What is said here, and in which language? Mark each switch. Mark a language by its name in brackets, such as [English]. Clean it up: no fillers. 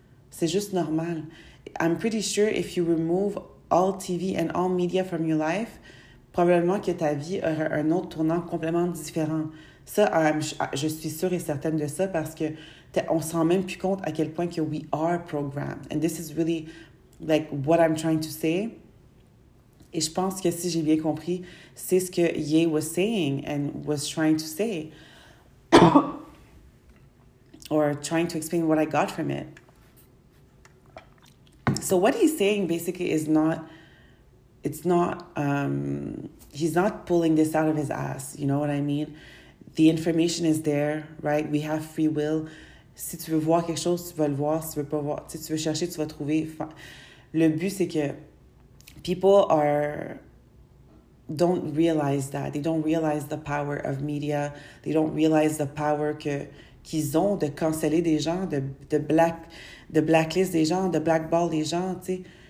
[French] C'est juste normal. [English] I'm pretty sure if you remove all TV and all media from your life, [French] probablement que ta vie aura un autre tournant complètement différent. Ça, je suis sûre et certaine de ça parce que on s'en rend même plus compte à quel point que [English] we are programmed. And this is really like what I'm trying to say. [French] Et je pense que si j'ai bien compris, c'est ce que [English] Ye was saying and was trying to say. Or trying to explain what I got from it. So what he's saying basically is not, it's not, he's not pulling this out of his ass, you know what I mean? The information is there, right? We have free will. [French] Si tu veux voir quelque chose, tu vas le voir. Si tu veux pas voir, si tu veux chercher, tu vas trouver. Le but, c'est que [English] people don't realize that. They don't realize the power of media. They don't realize the power [French] qu'ils ont de canceller des gens, de blacklist des gens, de blackball des gens, tu sais.